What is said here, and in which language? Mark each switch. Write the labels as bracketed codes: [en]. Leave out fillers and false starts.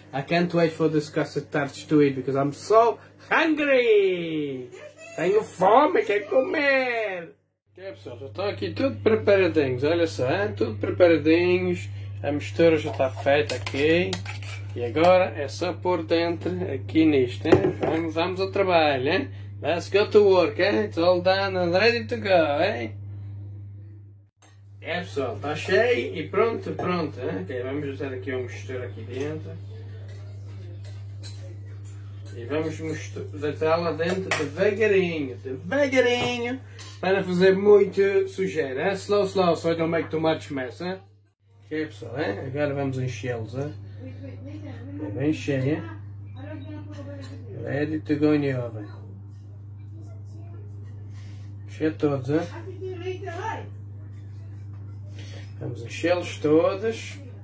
[en] I can't wait for this custard tarts to eat because I'm so hungry! [pt] Tenho fome, quer comer! Ok, pessoal, já estão aqui tudo preparadinhos, olha só, hein? Tudo preparadinhos. A mistura já está feita aqui. E agora é só pôr dentro aqui nisto, hein? Vamos ao trabalho, hein? [en] Let's go to work, eh? It's all done and ready to go, eh? [pt] É pessoal, está cheio e pronto. Okay, vamos usar aqui um misturo aqui dentro. E vamos deitar lá dentro devagarinho, para fazer muito sujeira. Eh? [en] Slow, so I don't make too much mess. [pt] Eh? Ok pessoal, eh? Agora vamos enchê-los. Eh? É bem cheia. [en] Ready to go in the oven. [pt] Cheia todos. Eh? Vamos enchê-los todos.